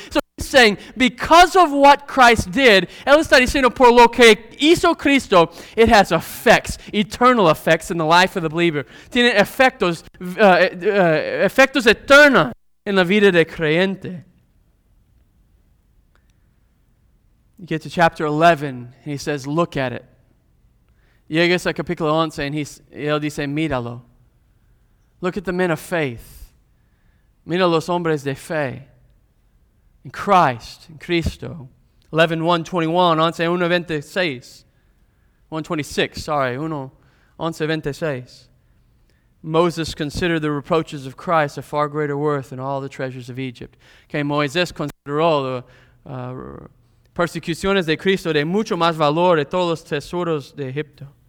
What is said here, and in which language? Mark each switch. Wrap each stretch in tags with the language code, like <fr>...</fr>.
<en>So he's saying, because of what Christ did,</en> <es>él está diciendo por lo que hizo Cristo,</es> <en>it has effects, eternal effects in the life of the believer.</en> <es>Tiene efectos eternos en la vida de creyente.</es> <en>You get to chapter 11, and he says, look at it.</en> <es>Llegas a capítulo 11, and él dice, míralo.</es> <en>Look at the men of faith.</en> <es>Mira los hombres de fe.</es> <en>In Christ,</en> <es>in Cristo.</es> <en>11:26. Moses considered the reproaches of Christ of far greater worth than all the treasures of Egypt.</en> <es>Okay, Moisés consideró las persecuciones de Cristo de mucho más valor de todos los tesoros de Egipto.</es>